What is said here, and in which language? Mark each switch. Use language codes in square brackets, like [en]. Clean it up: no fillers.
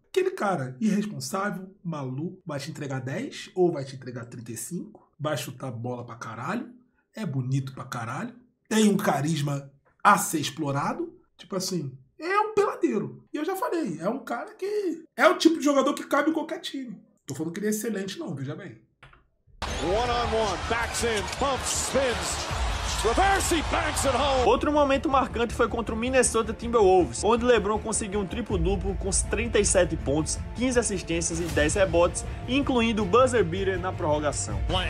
[pt] Aquele cara irresponsável, maluco, vai te entregar 10 ou vai te entregar 35, vai chutar bola pra caralho, é bonito pra caralho, tem um carisma a ser explorado, tipo assim, é um peladeiro. E eu já falei, é um cara que é o tipo de jogador que cabe em qualquer time. Tô falando que ele é excelente não, veja bem. [en] One on one, backs in, pumps, spins. [pt] Outro momento marcante foi contra o Minnesota Timberwolves, onde LeBron conseguiu um triplo-duplo com 37 pontos, 15 assistências e 10 rebotes, incluindo o buzzer beater na prorrogação.